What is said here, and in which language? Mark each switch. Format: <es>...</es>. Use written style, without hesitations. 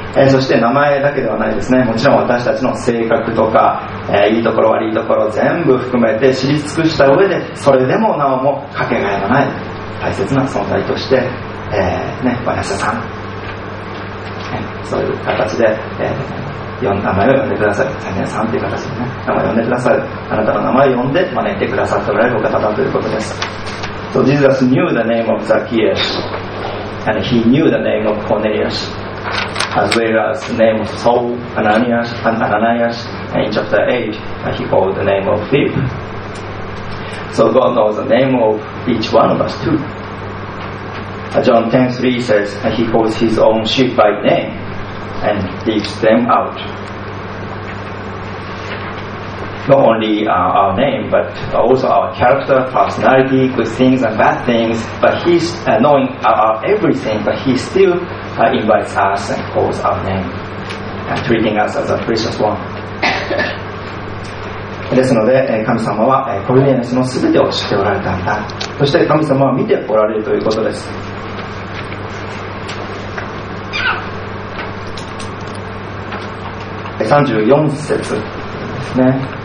<ja>そして名前だけではないですね。もちろん私たちの性格とか、いいところ悪いところ全部含めて知り尽くした上で、それでもなおもかけがえのない大切な存在として、ね、バネッサさん、そういう形で、名前を呼んでくださる、サネさんという形で、ね、名前を呼んでくださる、あなたの名前を呼んで招いてくださっておられる方だということです。</ja> <en>So Jesus knew the name of Zacchaeus and he knew the name of CorneliusAs well as the name of Saul, Ananias, and Ananias, and in chapter 8, he called the name of Philip. So God knows the name of each one of us too. John 10:3 says, he calls his own sheep by name and leads them out. Not only our name, but also our character, personality, good things and bad things, but he's knowing our everything, but he's still. Invites us and calls our name and treating us as a precious one.</en> <ja>ですので神様はコルネリアスの全てを知っておられたんだ。そして神様は見ておられるということです。 34節ですね。</ja>